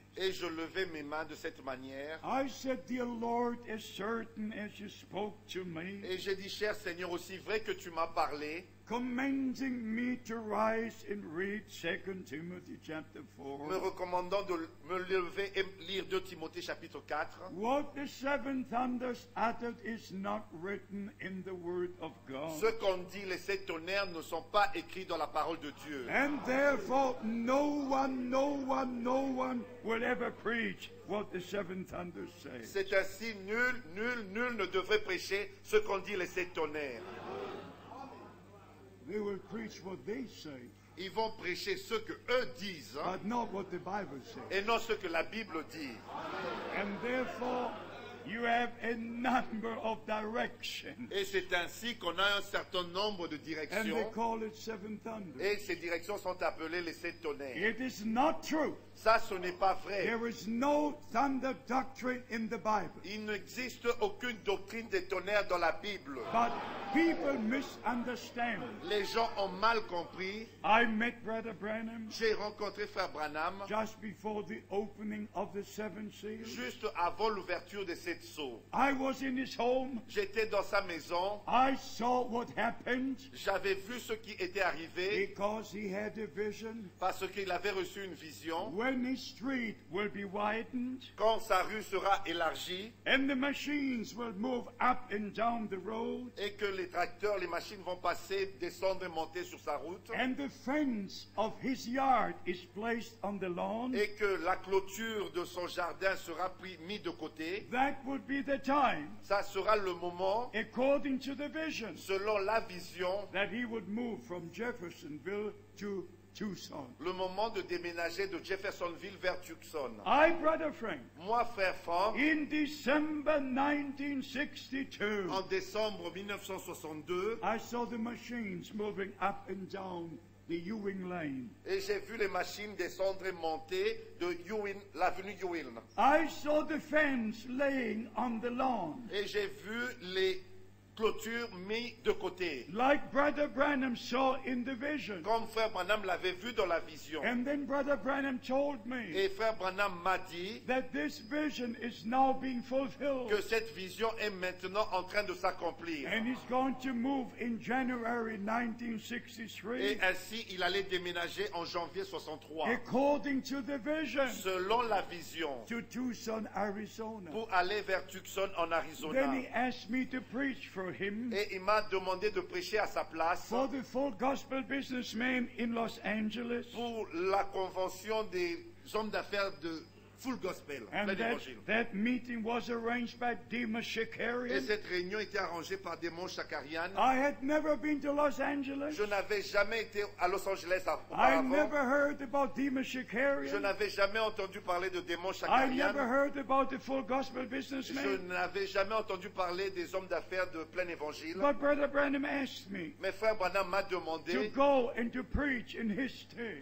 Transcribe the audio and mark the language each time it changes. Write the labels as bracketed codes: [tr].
[fr] Et je levais mes mains de cette manière. [en] I said, dear Lord, as certain as you spoke to me. [fr] Et j'ai dit, cher Seigneur, aussi vrai que tu m'as parlé. [en] Commanding me to rise and read 2 Timothy chapter 4. [fr] Me recommandant de me lever et lire 2 Timothée chapitre 4. [en] What the seven thunders uttered is not written in the word of God. [fr] Ce qu'on dit les sept tonnerres ne sont pas écrits dans la parole de Dieu. [en] And therefore no one will ever preach what the seven thunders say. [fr] C'est ainsi nul ne devrait prêcher ce qu'on dit les sept tonnerres. [en] They will preach what they say. [fr] Ils vont prêcher ce que eux disent. [en] But not what the Bible says. [fr] Et non ce que la Bible dit. [en] And therefore, you have a number of directions. [fr] Et c'est ainsi qu'on a un certain nombre de directions. [en] And they call it seven thunders. [fr] Et ces directions sont appelées les sept tonnerres. [en] It is not true. [fr] Ça, ce n'est pas vrai. [en] There is no thunder doctrine in the Bible. [fr] Il n'existe aucune doctrine des tonnerres dans la Bible. [en] But people misunderstand. [fr] Les gens ont mal compris. [en] I met Brother Branham. [fr] J'ai rencontré Frère Branham. [en] Just before the opening of the seven seals. [fr] Juste avant l'ouverture des sept sceaux. [en] I was in his home. [fr] J'étais dans sa maison. [en] I saw what happened. [fr] J'avais vu ce qui était arrivé. [en] Because he had a vision. [fr] Parce qu'il avait reçu une vision. [en] When his street will be widened, [fr] quand sa rue sera élargie, [en] and the machines will move up and down the road, [fr] et que les tracteurs, les machines vont passer, descendre et monter sur sa route, [en] and the fence of his yard is placed on the lawn, [fr] et que la clôture de son jardin sera mise de côté, [en] that would be the time, [fr] ça sera le moment, [en] according to the vision, [fr] selon la vision, [en] that he would move from Jeffersonville to Tucson. [fr] Le moment de déménager de Jeffersonville vers Tucson. [en] I, brother Frank, [fr] moi, frère Frank, [en] in December 1962, [fr] en décembre 1962, [en] I saw the machines moving up and down the Ewing Lane. [fr] Et j'ai vu les machines descendre et monter de Ewing, l'avenue Ewing. [en] I saw the fence laying on the lawn. [fr] Et j'ai vu les clôtures mises de côté. [en] Like Brother Branham saw in the vision. [fr] Comme frère Branham l'avait vu dans la vision. [en] And then Brother Branham told me. [fr] Et frère Branham m'a dit. [en] That this vision is now being fulfilled. [fr] Que cette vision est maintenant en train de s'accomplir. [en] And he's going to move in January 1963. [fr] Et ainsi il allait déménager en janvier 63. [en] According to the vision. [fr] Selon la vision. [en] To Tucson, Arizona. [fr] Pour aller vers Tucson en Arizona. [en] Then he asked me to preach. For him, [fr] et il m'a demandé de prêcher à sa place [en] for the full gospel businessman in Los Angeles, [fr] pour la convention des hommes d'affaires de full gospel, [en] and that meeting was arranged by Dima Shakarian. [fr] Et cette réunion était arrangée par Dima Shakarian. [en] I had never been to Los Angeles. [fr] Je n'avais jamais été à Los Angeles auparavant. [en] I never heard about Dima Shakarian. [fr] Je n'avais jamais entendu parler de Dima Shakarian. [en] I never heard about the full gospel businessman. [fr] Je n'avais jamais entendu parler des hommes d'affaires de plein évangile. [en] But Brother Branham asked me. [fr] Mais frère Branham m'a demandé [en] to go and to preach in his stead.